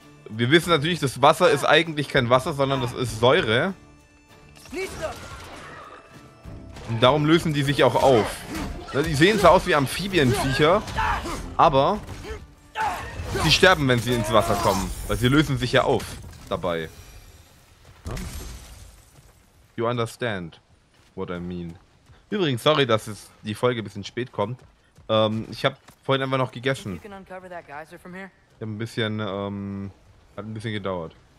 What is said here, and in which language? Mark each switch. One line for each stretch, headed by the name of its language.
German: Wir wissen natürlich, das Wasser ist eigentlich kein Wasser, sondern das ist Säure. Und darum lösen die sich auch auf. Die sehen zwar aus wie Amphibienviecher, aber sie sterben, wenn sie ins Wasser kommen. Weil sie lösen sich ja auf dabei.
English: You understand what I mean.
German: Übrigens, sorry, dass es die Folge ein bisschen spät kommt. Ich habe vorhin einfach noch gegessen. Ich habe ein bisschen, hat ein bisschen gedauert.